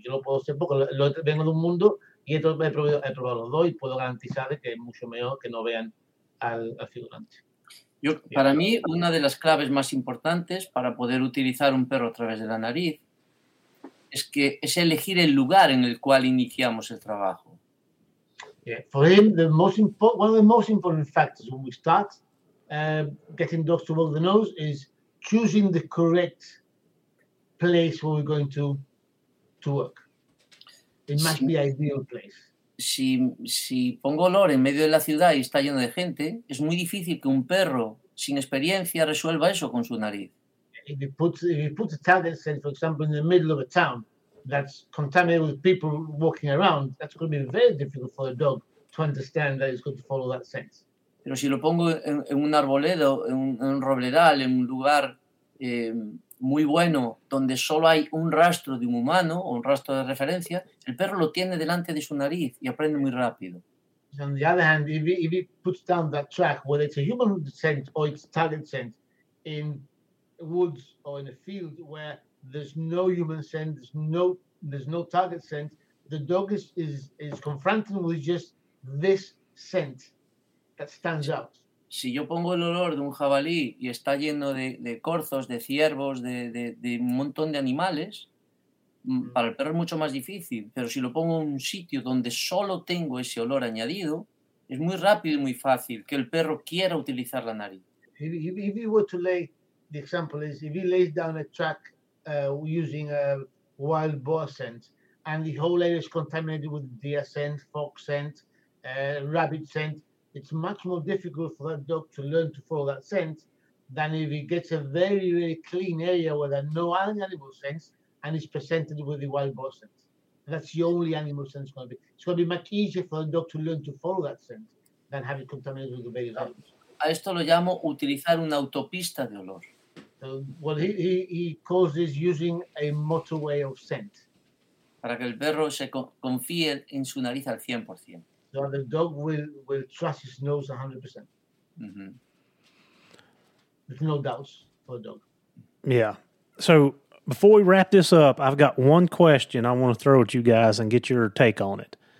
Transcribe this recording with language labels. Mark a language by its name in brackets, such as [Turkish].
[Spanish] Yo lo puedo hacer porque vengo de un mundo y entonces he probado los dos y puedo garantizar que es mucho mejor que no vean al figurante. Yo, para mí, una de las claves más importantes para poder utilizar un perro a través de la nariz es elegir el lugar en el cual iniciamos el trabajo. [English] Yeah. For him, one of the most important factors when we start getting dogs to walk the nose is choosing the correct place where we're going to work. It must be ideal place. [Spanish] Si pongo olor en medio de la ciudad y está lleno de gente, es muy difícil que un perro sin experiencia resuelva eso con su nariz. [English] If you put a target, say, for example, in the middle of a town that's contaminated with people walking around, that's going to be very difficult for a dog to understand that it's going to follow that scent. [Spanish] Pero si lo pongo en un arboledo, en un robledal, en un lugar muy bueno, donde solo hay un rastro de un humano o un rastro de referencia, el perro lo tiene delante de su nariz y aprende muy rápido. [English] On the other hand, if he puts down that track, whether it's a human scent or it's target scent, in woods or in a field where there's no human scent, there's no target scent, the dog is confronting with just this scent that stands out. [Spanish] Si yo pongo el olor de un jabalí y está lleno de corzos, de ciervos, de un montón de animales, para el perro es mucho más difícil. Pero si lo pongo en un sitio donde solo tengo ese olor añadido, es muy rápido y muy fácil que el perro quiera utilizar la nariz. [English] If you were to lay, the example is, if he lays down a track using a wild boar scent and the whole area is contaminated with deer scent, fox scent, rabbit scent, it's much more difficult for that dog to learn to follow that scent than if he gets a very, very clean area where there are no other animal scents and is presented with the wild boar scent. That's the only animal scent it's going to be. It's going to be much easier for a dog to learn to follow that scent than have it contaminated with the various animals. [Spanish] A esto lo llamo utilizar una autopista de olor. [English] He calls this using a motorway of scent. [Spanish] Para que el perro se confíe en su nariz al 100%. [English] So the dog will trust his nose 100%. Mm-hmm. There's no doubts for the dog. Yeah. So before we wrap this up, I've got one question I want to throw at you guys and get your take on it.